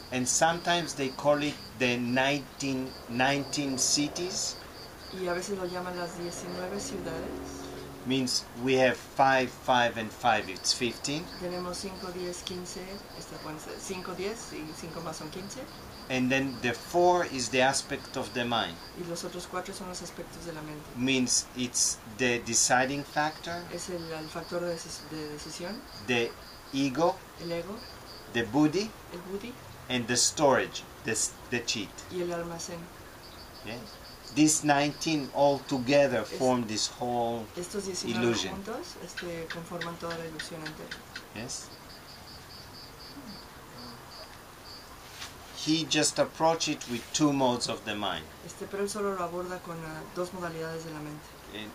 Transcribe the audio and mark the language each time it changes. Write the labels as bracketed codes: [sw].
[en] and sometimes they call it the 19 cities, [es] y a veces lo llaman las 19 ciudades. [en] Means we have 5, 5 and 5, it's 15. [es] Tenemos 5, 10, 15, esta puede ser 5, 10 y 5 más son 15. [en] And then the 4 is the aspect of the mind. [es] Y los otros 4 son los aspectos de la mente. [en] Means it's the deciding factor. [es] Es el factor de decisión. [en] The ego. [es] El ego. [en] The buddhi. [es] El buddhi. [en] And the storage, the chit. [es] Y el almacén. [en] Yeah. These 19 all together form this whole [es] estos 19 [en] illusion. [es] Juntos, conforman toda la ilusión entera. [en] Yes. He just approached it with two modes of the mind. [es] Pero él solo lo aborda con dos modalidades de la mente.